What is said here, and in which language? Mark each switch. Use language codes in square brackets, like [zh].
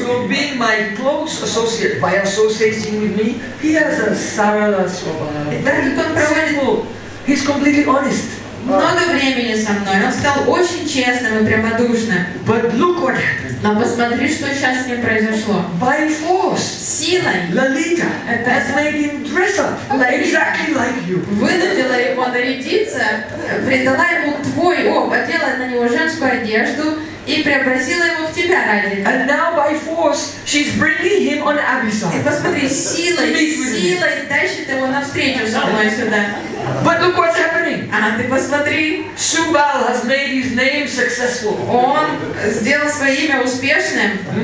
[en] So being my close associate, by associating with me, he has a Sarala Subal. He's completely honest. [ru] Много времени со мной, он стал очень честным и прямодушным. [en] But look what happened. [ru] Но посмотри, что сейчас с ним произошло. [en] By force. [ru] Силой. [en] Lalita has made him dress up exactly like you. [ru] Вынудила его нарядиться, придала ему твой об, одела на него женскую одежду и преобразила его в тебя, Радика. [en] And now by force she's bringing him on Abhisar. [ru] И посмотри, силой тащит его навстречу со мной сюда. [en] But look what's happening. [ru] А ты посмотри. [en] Subal has made his name successful. [ru] Он сделал свое имя успешным.